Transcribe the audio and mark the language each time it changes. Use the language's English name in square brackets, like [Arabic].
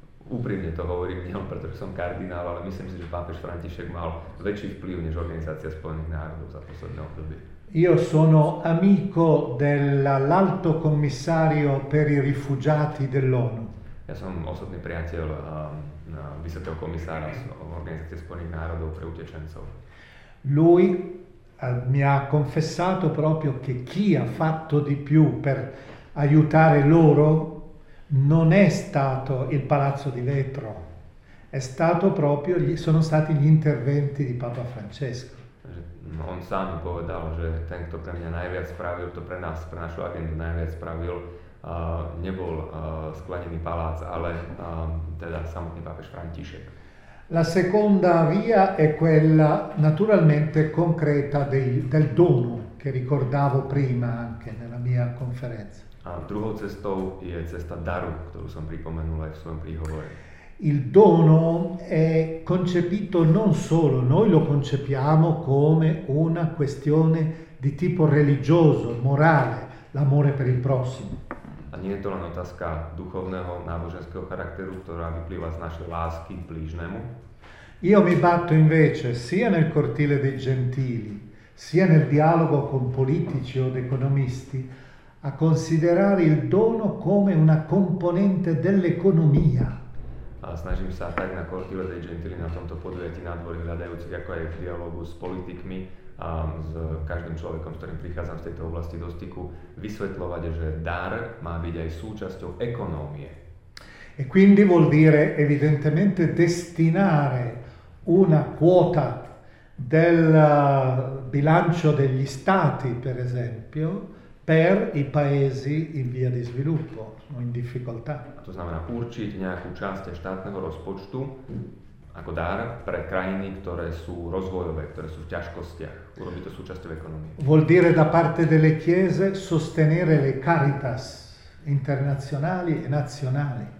[Slovak] Úprimne to hovorím nielen preto, že som kardinál, ale myslím si, že pápež František mal väčší vplyv než Organizácia spojených národov za posledné obdobie. [Italian] Io sono amico dell'Alto Commissario per i Rifugiati dell'ONU. [Slovak] Ja som osobný priateľ vysokého komisára Organizácie spojených národov pre utečencov. [Italian] Lui mi ha confessato proprio che chi ha fatto di più per aiutare loro non è stato il Palazzo di Vetro, è stato proprio sono stati gli interventi di Papa Francesco. [Slovak] On sám mi povedal, že ten, kto pre mňa najviac spravil, to pre nás, pre našu agendu najviac spravil, nebol sklenený palác, ale teda samotný pápež František. [Italian] La seconda via è quella naturalmente concreta del dono, che ricordavo prima anche nella mia conferenza. [Slovak] A druhou cestou je cesta daru, ktorú som pripomenul aj v svojom príhovore. [Italian] Il dono è concepito non solo, noi lo concepiamo come una questione di tipo religioso, morale, l'amore per il prossimo. [Slovak] A nie je to len otázka duchovného, náboženského charakteru, ktorá vyplýva z našej lásky k blížnemu. [Italian] Io mi batto invece sia nel cortile dei gentili, sia nel dialogo con politici o economisti, a considerare il dono come una componente dell'economia. [Slovak] Snažím sa tak na cortile dei gentili na tomto podujatí na dvori hľadajúcich, ako aj v dialogu s politikmi a s každým človekom, s ktorým prichádzam z tejto oblasti do styku, vysvetľovať, že dar má byť aj súčasťou ekonomie. [Italian] E quindi vuol dire evidentemente destinare una quota del bilancio degli stati, per esempio, per i paesi in via di sviluppo o in difficoltà. [Slovak] To znamená určiť nejakú časť štátneho rozpočtu ako dar pre krajiny, ktoré sú rozvojové, ktoré sú v ťažkostiach. Urobiť to súčasťou ekonomie. [Italian] Vuol dire da parte delle chiese sostenere le caritas internazionali e nazionali.